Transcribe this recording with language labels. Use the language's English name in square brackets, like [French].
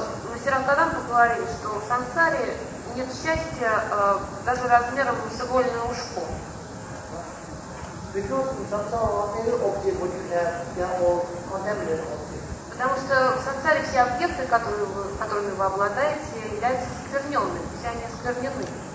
[Russian] Мастера Кадампа говорил, что в самсаре нет счастья даже размером с игольное ушко. [English] Because in samsara, any object what you have, they are all contaminated objects. [Russian] Потому что в самсаре все объекты, которыми вы обладаете, являются скверненными, все они скверненные.